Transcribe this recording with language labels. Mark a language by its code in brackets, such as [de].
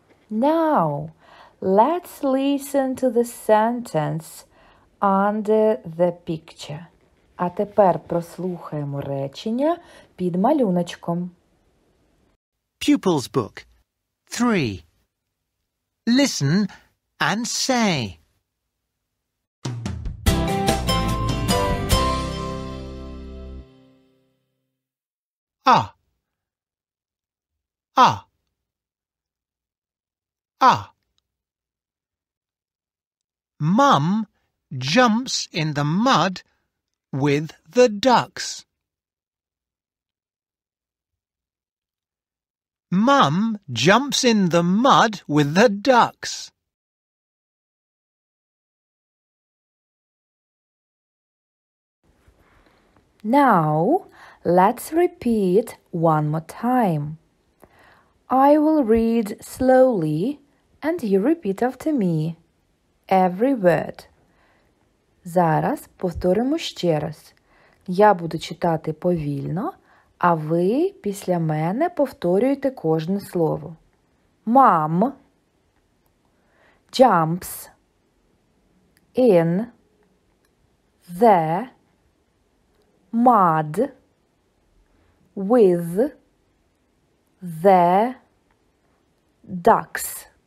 [en] Now, let's listen to the sentence under the picture. [uk] А тепер прослухаємо речення під малюночком. [en] Pupil's book. 3. Listen and say. Ah. Ah. Ah. Mum jumps in the mud with the ducks. Mum jumps in the mud with the ducks. Now, let's repeat one more time. I will read slowly and you repeat after me every word. [uk] Зараз повторимо ще раз. Я буду читати повільно, а ви після мене повторюєте кожне слово. [en] Mom jumps in the mud with the ducks.